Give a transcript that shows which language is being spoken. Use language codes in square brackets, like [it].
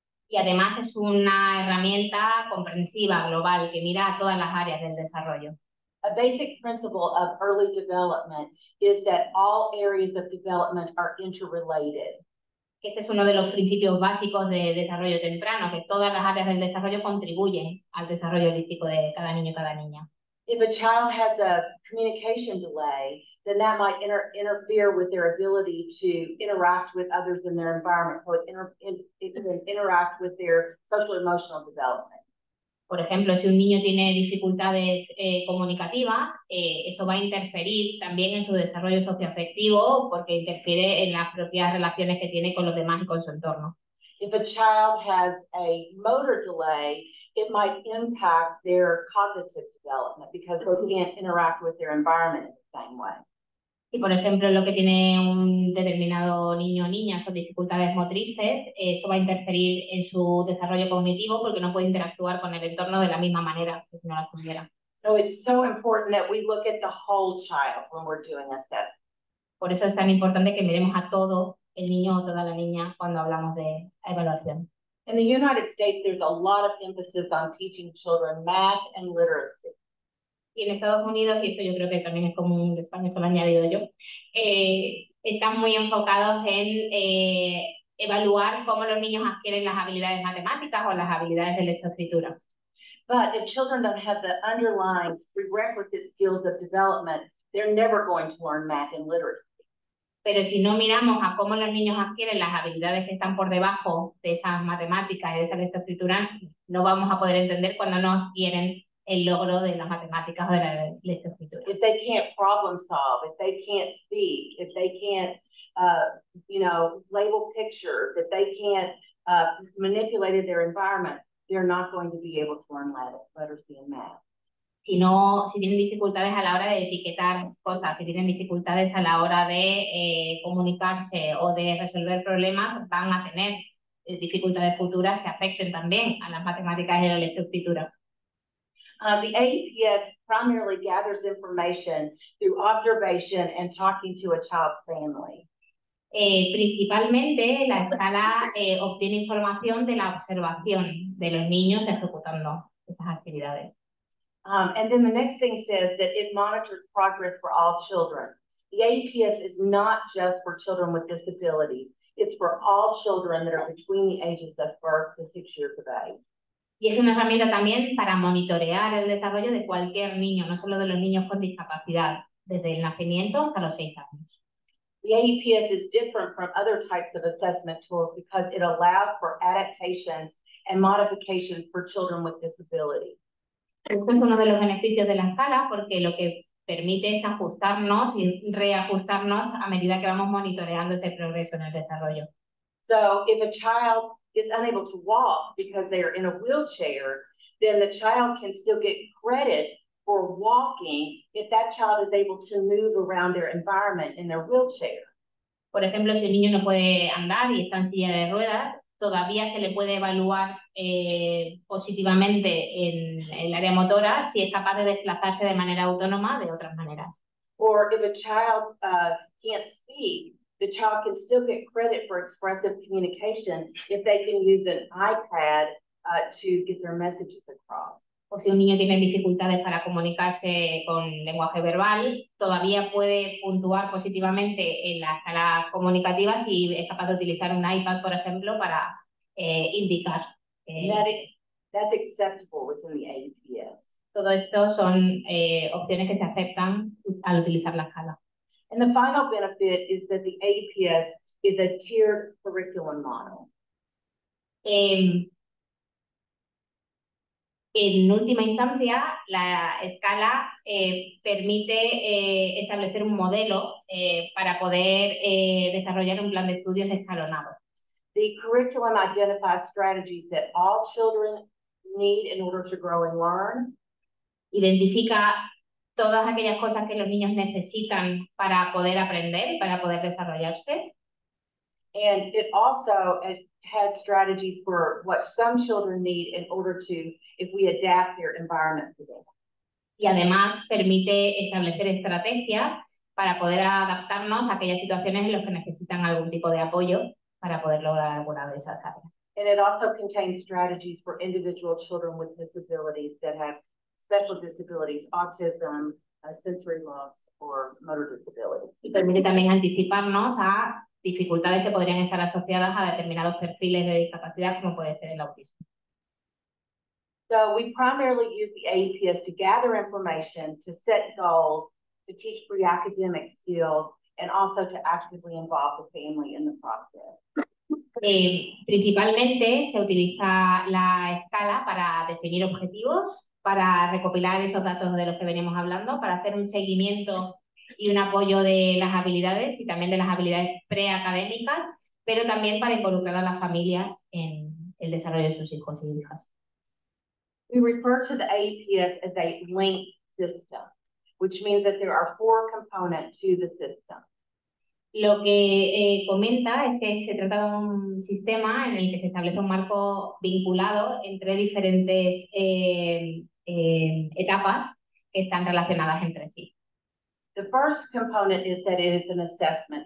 [es] Y además es una herramienta comprensiva, global, que mira a todas las áreas del desarrollo. [en] A basic principle of early development is that all areas of development are interrelated. [es] Este es uno de los principios básicos de desarrollo temprano, que todas las áreas del desarrollo contribuyen al desarrollo holístico de cada niño y cada niña. [en] If a child has a communication delay, then that might interfere with their ability to interact with others in their environment, so it can interact with their social-emotional development. [es] Por ejemplo, si un niño tiene dificultades comunicativas, eso va a interferir también en su desarrollo socioafectivo porque interfiere en las propias relaciones que tiene con los demás y con su entorno. [en] If a child has a motor delay, it might impact their cognitive development because they can't interact with their environment in the same way. [es] Si, por ejemplo, lo que tiene un determinado niño o niña son dificultades motrices, eso va a interferir en su desarrollo cognitivo porque no puede interactuar con el entorno de la misma manera que si no las tuviera. [en] So it's so important that we look at the whole child when we're doing assessment. [es] Por eso es tan importante que miremos a todo el niño o toda la niña cuando hablamos de evaluación. [en] In the United States, there's a lot of emphasis on teaching children math and literacy. [es] Y en Estados Unidos, y eso yo creo que también es común de España, eso lo he añadido yo, están muy enfocados en evaluar cómo los niños adquieren las habilidades matemáticas o las habilidades de lectoescritura. [en] But if children don't have the underlying prerequisite skills of development, they're never going to learn math and literacy. [es] Pero si no miramos a cómo los niños adquieren las habilidades que están por debajo de esas matemáticas y de esa lectoescritura, no vamos a poder entender cuando no adquieren el logro de las matemáticas o de la lectoescritura. [en] If they can't problem solve, if they can't speak, if they can't, you know, label pictures, if they can't manipulate their environment, they're not going to be able to learn literacy and math. [es] Si tienen dificultades a la hora de etiquetar cosas, si tienen dificultades a la hora de comunicarse o de resolver problemas, van a tener dificultades futuras que afecten también a las matemáticas y a la lectoescritura. [en] The AEPS primarily gathers information through observation and talking to a child's family. [es] Principalmente, la escala obtiene información de la observación de los niños ejecutando esas actividades. [en] And then the next thing says that it monitors progress for all children. The AEPS is not just for children with disabilities. It's for all children that are between the ages of birth to 6 years of age. [es] Y es una herramienta también para monitorear el desarrollo de cualquier niño, no solo de los niños con discapacidad, desde el nacimiento hasta los 6 años. [en] The AEPS is different from other types of assessment tools because it allows for adaptations and modifications for children with disabilities. [es] Este es uno de los beneficios de la escala porque lo que permite es ajustarnos y reajustarnos a medida que vamos monitoreando ese progreso en el desarrollo. [en] So, if a child is unable to walk because they are in a wheelchair, then the child can still get credit for walking if that child is able to move around their environment in their wheelchair. [es] Por ejemplo, si el niño no puede andar y está en silla de ruedas, todavía se le puede evaluar positivamente en el área motora si es capaz de desplazarse de manera autónoma de otras maneras. [en] Or if a child can't speak, the child can still get credit for expressive communication if they can use an iPad to get their messages across. [es] o si un niño tiene dificultades para comunicarse con lenguaje verbal, todavía puede puntuar positivamente en la escala comunicativa si es capaz de utilizar un iPad, por ejemplo, para indicar. [en] That's acceptable within the AEPS. [es] Todo esto son opciones que se aceptan al utilizar la escala. [en] And the final benefit is that the AEPS is a tiered curriculum model. [es] En última instancia, la escala permite establecer un modelo para poder desarrollar un plan de estudios escalonado. [en] The curriculum identifies strategies that all children need in order to grow and learn. [es] Identifica todas aquellas cosas que los niños necesitan para poder aprender y para poder desarrollarse. [en] And it also has strategies for what some children need in order to, if we adapt their environment to them. [es] Y además permite establecer estrategias para poder adaptarnos a aquellas situaciones en las que necesitan algún tipo de apoyo para poder lograr alguna de esas áreas. [en] And it also contains strategies for individual children with disabilities that have special disabilities, autism, sensory loss, or motor disabilities. [es] Y permite también anticiparnos a dificultades que podrían estar asociadas a determinados perfiles de discapacidad, como puede ser el autismo. [en] So we primarily use the AEPS to gather information, to set goals, to teach pre-academic skills, and also to actively involve the family in the process. [es] Principalmente se utiliza la escala para definir objetivos, para recopilar esos datos de los que venimos hablando, para hacer un seguimiento y un apoyo de las habilidades y también de las habilidades preacadémicas, pero también para involucrar a las familias en el desarrollo de sus hijos y hijas. [en] We refer to the AEPS as a linked system, which means that there are four components to the system. [es] Lo que comenta es que se trata de un sistema en el que se establece un marco vinculado entre diferentes etapas que están relacionadas entre sí. [en] The first component is that it is an assessment.